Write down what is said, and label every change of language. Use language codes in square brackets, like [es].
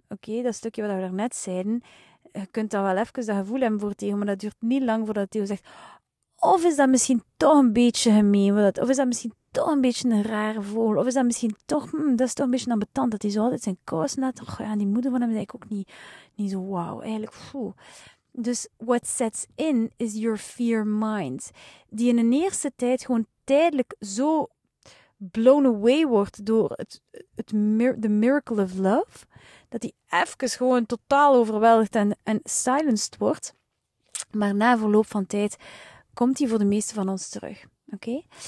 [nl] Oké, dat stukje wat we daarnet zeiden. Je kunt dat wel even dat gevoel hebben voor Theo, maar dat duurt niet lang voordat Theo zegt, of is dat misschien toch een beetje gemeen? Of is dat misschien toch een beetje een rare vogel? Of is dat misschien toch, dat is toch een beetje ambetant, dat hij zo altijd zijn kous net. Och ja, die moeder van hem is eigenlijk ook niet zo wauw. Eigenlijk, poeh. [en] Dus what sets in is your fear mind. [nl] Die in de eerste tijd gewoon tijdelijk zo [en] blown away [nl] wordt door [en] the miracle of love, [nl] dat die even gewoon totaal overweldigd en [en] silenced [nl] wordt. Maar na verloop van tijd komt die voor de meeste van ons terug. Oké?